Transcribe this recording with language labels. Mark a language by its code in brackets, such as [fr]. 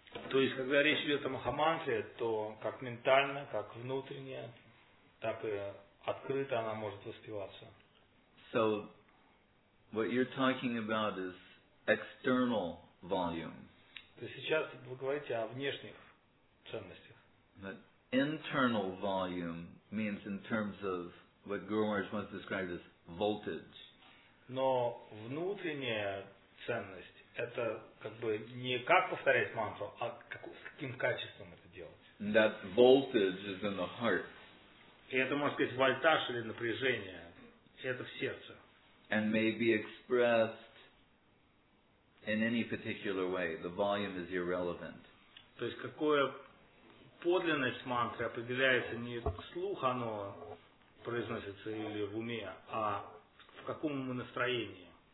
[ru] То есть, когда речь идет о Махамантре, то как ментально, как внутренне, так и открыто она может воспеваться. [en] So, what you're talking about is external volume. [ru] То сейчас вы говорите о внешних ценностях. [en] But internal volume means in terms of what Guru Maharaj once described as voltage. [ru] Но внутренняя ценность это как бы не как повторять мантру, а как, с каким качеством это делать. [en] And that voltage is in the heart. [ru] И это можно сказать вольтаж или напряжение. Это в сердце. [en] And may be expressed in any particular way. The volume is irrelevant. [ru] То есть какое подлинность мантры определяется не вслух оно произносится или в уме, а в каком мы настроении.